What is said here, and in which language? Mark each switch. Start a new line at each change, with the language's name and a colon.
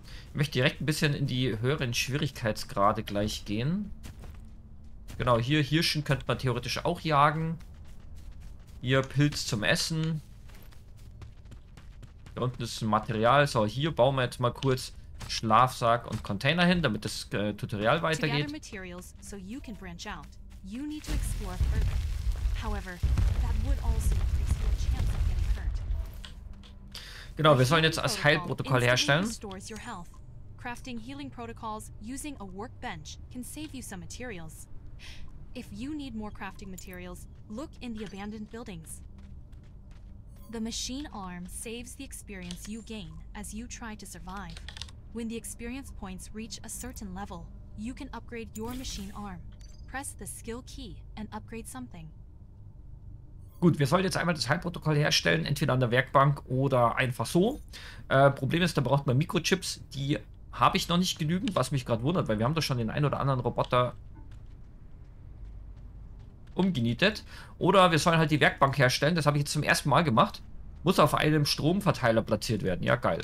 German: Ich möchte direkt ein bisschen in die höheren Schwierigkeitsgrade gleich gehen. Genau, hier Hirschen könnte man theoretisch auch jagen. Hier Pilz zum Essen. Hier unten ist ein Material. So, hier bauen wir jetzt mal kurz Schlafsack und Container hin, damit das Tutorial weitergeht.
English: Materials, so you can branch out. You need to explore further. However, that would also increase your chance of getting hurt.
German: Genau, wir sollen jetzt das Heilprotokoll herstellen.
English: Crafting healing protocols using a workbench can save you some materials. If you need more crafting materials, look in the abandoned buildings. The machine arm saves the experience you gain as you try to survive. When the experience points reach a certain level, you can upgrade your machine arm. Press the skill key and upgrade something.
German: Gut, wir sollten jetzt einmal das Heilprotokoll herstellen, entweder an der Werkbank oder einfach so. Problem ist, da braucht man Mikrochips, die habe ich noch nicht genügend, was mich gerade wundert, weil wir haben doch schon den einen oder anderen Roboter umgenietet. Oder wir sollen halt die Werkbank herstellen. Das habe ich jetzt zum ersten Mal gemacht. Muss auf einem Stromverteiler platziert werden. Ja, geil.